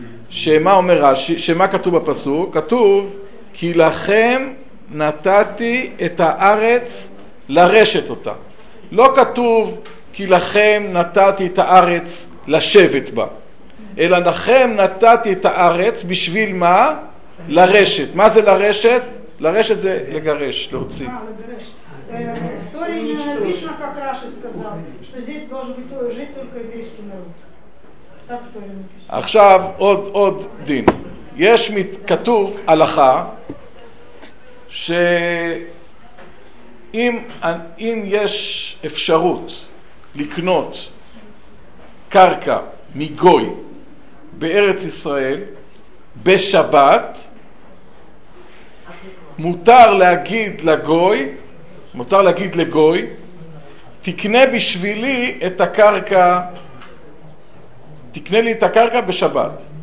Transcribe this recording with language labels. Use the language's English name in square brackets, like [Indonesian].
[Hebrew] שמה אומר רשי? שמה כתוב בפסוק? כתוב כי לכם נתתי את הארץ לרשת אותה. לא כתוב כי לכם נתתי את הארץ לשבת בה, אלא לכם נתתי את הארץ בשביל מה? לרשת. מה זה לרשת? לרשת זה לגרש, להוציא. [Russian] В Торе не написано, как Раши сказал, что здесь должен быть жить только еврейский народ. Так в Торе написано. [Hebrew] עכשיו עוד דין. יש כתוב הלכה ש אם יש אפשרות לקנות קרקע מגוי בארץ ישראל בשבת מותר להגיד לגוי, מותר להגיד לגוי, תקנה בשבילי את הקרקע, תקנה לי את הקרקע בשבת.